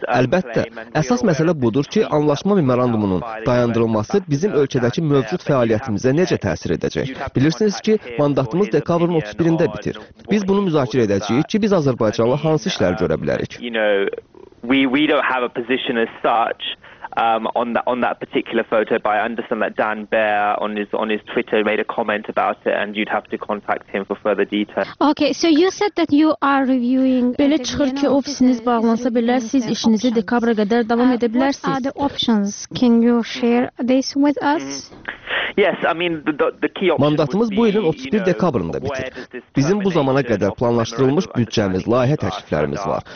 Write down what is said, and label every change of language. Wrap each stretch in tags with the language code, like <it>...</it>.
<az>Əlbəttə, əsas məsələ budur ki, anlaşma memorandumunun dayandırılması bizim ölkədəki mövcud fəaliyyətimizə necə təsir edəcək? Bilirsiniz ki, mandatımız dekabrın 31-də bitir. Biz bunu müzakirə edəcəyik ki, biz Azərbaycanla hansı işlər görə bilərik.</az> <en>You know, we don't have a position as such on that particular photo, but I understand that Dan Baer on his Twitter made a comment about it, and you'd have to contact him for further details. Okay, so you said that you are reviewing.</en> <az>Belə çıxır ki, ofisiniz bağlansa belə siz işinizi dekabra qədər davam edə bilərsiniz.</az> <en>What are the options? Can you share this with us? Yes, I mean the key option.</en> <az>Mandatımız bu ilin 31 dekabrında bitir. Bizim bu zamana qədər planlaşdırılmış büdcəmiz, layihə təkliflərimiz var.</az>